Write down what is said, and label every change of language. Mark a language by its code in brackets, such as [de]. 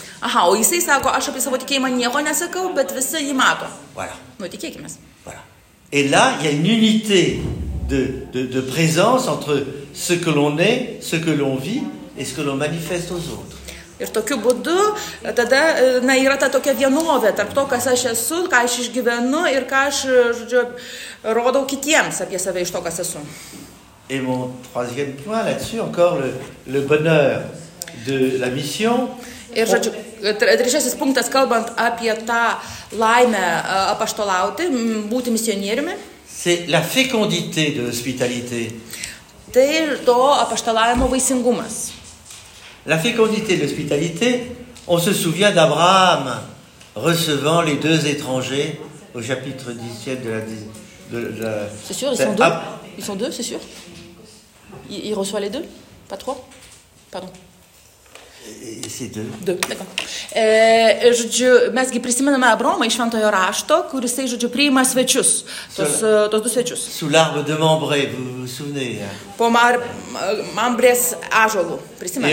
[lt] Aha, o jisai sako, aš apie savo tikėjimą nieko nesakau, bet visi jį mato. [fr] Voilà. [lt] Nu, tikėkimės. [fr] Voilà. Et là, il y a une unité de présence entre ce que l'on est, ce que l'on vit et ce que l'on manifeste aux autres. [lt] Ir tokiu būdu, tada, na, yra ta tokia vienovė tarp to, kas aš esu, ką aš išgyvenu ir ką aš, žodžiu, rodau kitiems apie save iš to, kas esu. [fr] Et mon troisième point là-dessus, encore le bonheur de la mission. [lt] Ir, žodžiu, trečiasis punktas, kalbant apie tą laimę apaštalauti, būti misionieriumi. [fr] C'est la fécondité de l'hospitalité. [lt] Tai to apaštalavimo vaisingumas. [fr] La fécondité de l'hospitalité, on se souvient d'Abraham recevant les deux étrangers au chapitre 17 de la... C'est sûr, ils sont deux, c'est sûr. Il reçoit les deux, pas trois. Pardon. C'est deux. Deux, d'accord. [lt] Žodžiu, mesgi prisiminame Abromą iš Šventojo Rašto, kuris, žodžiu, priima svečius, tos du svečius. [fr] Sous l'arbre de Mambrai, vous vous souvenez. [lt] Po Mambrės ąžuolų, prisiminame.